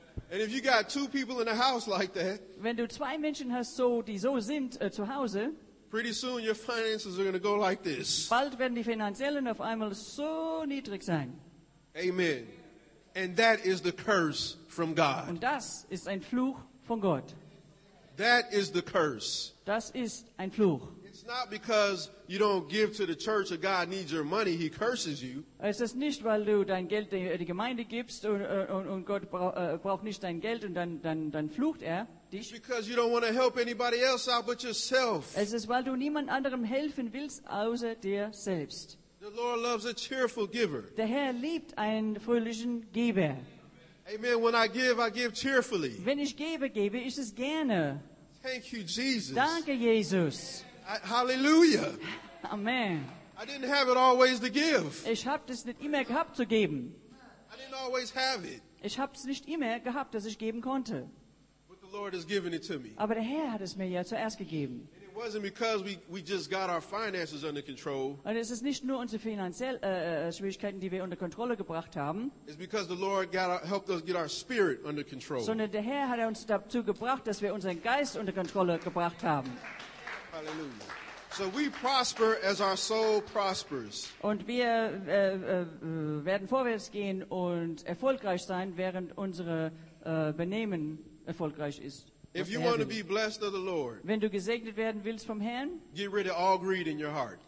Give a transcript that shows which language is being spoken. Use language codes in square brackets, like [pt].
[en] And if you got two people in a house like that, [de] wenn du zwei Menschen hast, so, die so sind zu Hause, [en] pretty soon your finances are going to go like this. [de] Bald werden die Finanziellen auf einmal so niedrig sein. [en] Amen. And that is the curse from God. [de] Und das ist ein Fluch von Gott. [en] That is the curse. [de] Das ist ein Fluch. [en] It's not because you don't give to the church or God needs your money, he curses you. [de] Es ist nicht, weil du dein Geld der Gemeinde gibst und Gott braucht nicht dein Geld und dann flucht er dich. [en] It's because you don't want to help anybody else out but yourself. [de] Es ist, weil du niemand anderem helfen willst außer dir selbst. [en] The Lord loves a cheerful giver. [de] Der Herr liebt einen fröhlichen Geber. [en] Amen. When I give cheerfully. [de] Wenn ich gebe, gebe ich es gerne. [en] Thank you, Jesus. [de] Danke, Jesus. Hallelujah. Amen. [en] I didn't have it always to give. [de] Ich habe es nicht immer gehabt zu geben. [en] I didn't always have it. [de] Ich habe es nicht immer gehabt, dass ich geben konnte. [en] But the Lord has given it to me. [de] Aber der Herr hat es mir ja zuerst gegeben. [en] And it wasn't because we just got our finances under control. [de] Und es ist nicht nur unsere finanziellen Schwierigkeiten, die wir unter Kontrolle gebracht haben. [en] It's because the Lord helped us get our spirit under control. [de] Sondern der Herr hat uns dazu gebracht, dass wir unseren Geist unter Kontrolle gebracht haben. [en] Hallelujah. So we prosper as our soul prospers. [de] Und wir werden vorwärts gehen und erfolgreich sein, während unsere Benehmen erfolgreich ist. [en] If you want to be blessed of the Lord, [de] wenn du gesegnet werden willst vom Herrn, [en] get rid of all greed in your heart.